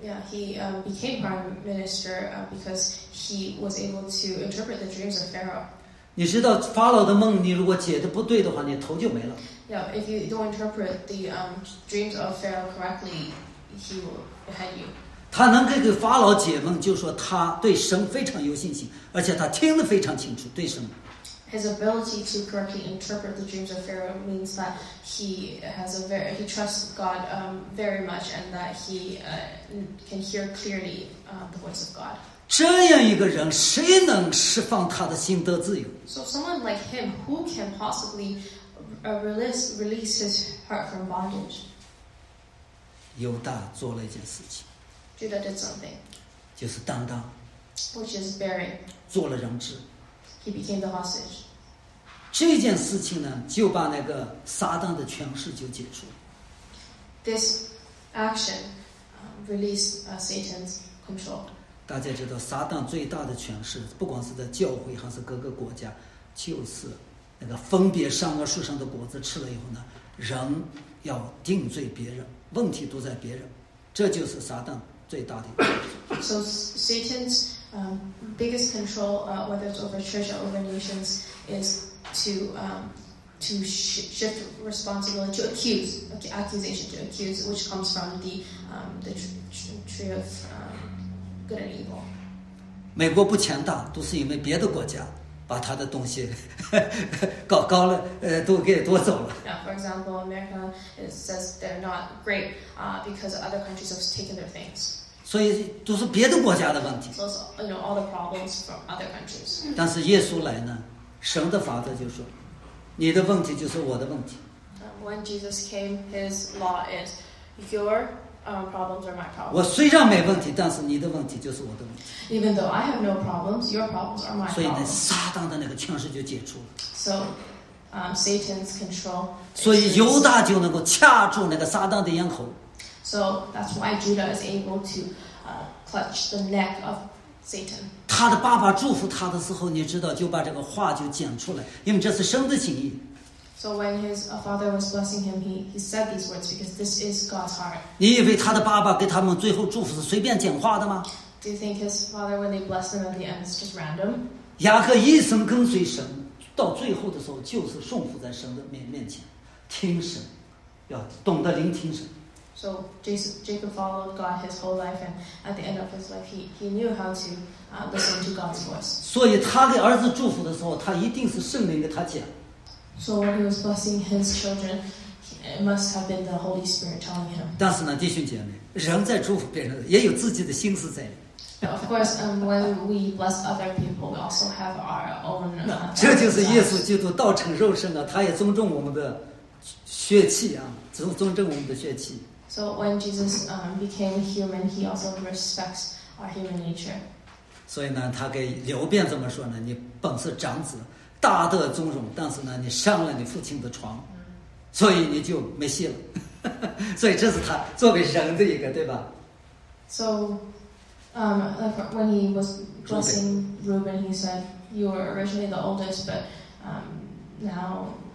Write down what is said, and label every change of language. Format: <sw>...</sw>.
<en>Yeah, he became prime minister because he was able to interpret the dreams of Pharaoh.</en> <zh>你知道法老的梦，你如果解的不对的话，你头就没了。</zh> <en>Yeah, if you don't interpret the dreams of Pharaoh correctly, he will behead you.</en> <zh>他能给法老解梦，就说他对神非常有信心，而且他听得非常清楚对神。</zh> <en>His ability to correctly interpret the dreams of Pharaoh means that he has he trusts God very much, and that he can hear clearly the voice of God.</en> <zh>这样一个人，谁能释放他的心得自由</zh> <en>？So someone like him, who can possibly release his heart from bondage?</en> <zh>犹大做了一件事情。</zh> <en>Judah did something.</en> <zh>就是担当。</zh> <en>Which is bearing.</en> <zh>做了人质。</zh> <en>He became the hostage.</en> <zh>这件事情呢，就把那个撒旦的权势就解除了。</zh> <en>This action released Satan's control.</en> <zh>大家知道，撒旦最大的权势，不管是在教会还是各个国家，就是那个分别善恶树上的果子吃了以后呢，人要定罪别人，问题都在别人，这就是撒旦最大的。</zh> <en>So Satan's biggest control, whether it's over church or over nations, is to shift responsibility, to accuse, accusation, to accuse, which comes from the tree of good and evil.</en> <zh>美国不强大，都是因为别的国家把他的东西搞高了，都给夺走了。</zh> <en>Yeah, for example, America says they're not great, because other countries have taken their things.</en> <zh>所以都是别的国家的问题。</zh> <en>So, you know, all the problems from other countries.</en> <zh>但是耶稣来呢，神的法则就说，你的问题就是我的问题。</zh> <en>When Jesus came, his law is your problems are my problems.</en> <zh>我虽然没问题，但是你的问题就是我的问题。</zh> <en>Even though I have no problems, your problems are my problems.</en> <zh>所以呢，撒旦的那个权势就解除了。</zh> <en>So, Satan's control.</en> <zh>所以犹大就能够掐住那个撒旦的咽喉。</zh> <en>So that's why Judah is able to clutch the neck of Satan.</en> <zh>他的爸爸祝福他的时候，你知道就把这个话就讲出来，因为这是神的心意。</zh> <en>So when his father was blessing him, he said these words because this is God's heart.</en> <zh>你以为他的爸爸给他们最后祝福是随便讲话的吗？</zh> <en>Do you think his father, when they bless him at the end, is just random?</en> <zh>雅各一生跟随神，到最后的时候就是顺服在神的面前，听神，要懂得聆听神。</zh> <en>So Jacob followed God his whole life, and at the end of his life, he knew how to listen to God's voice.</en> <zh>所以他给儿子祝福的时候，他一定是圣灵给他讲。</zh> <en>So when he was blessing his children, it must have been the Holy Spirit telling him.</en> <zh>但是呢，弟兄姐妹，人在祝福别人，也有自己的心思在里。</zh> <en>Of course, when we bless other people, we also have our own.</en> <zh>这就是耶稣基督道成肉身了，他也尊重我们的血气啊，尊重我们的血气。</zh> <en>So when Jesus became human, he also respects our human nature.</en> <zh>所以呢，他给流便怎么说呢？你本是长子。大得尊荣，但是呢，你上了你父亲的床，所以你就没戏了。所以这是他作为人的一个，对吧</zh> <en>？So, when he was blessing Reuben, he said, "You were originally the oldest, but now."</en>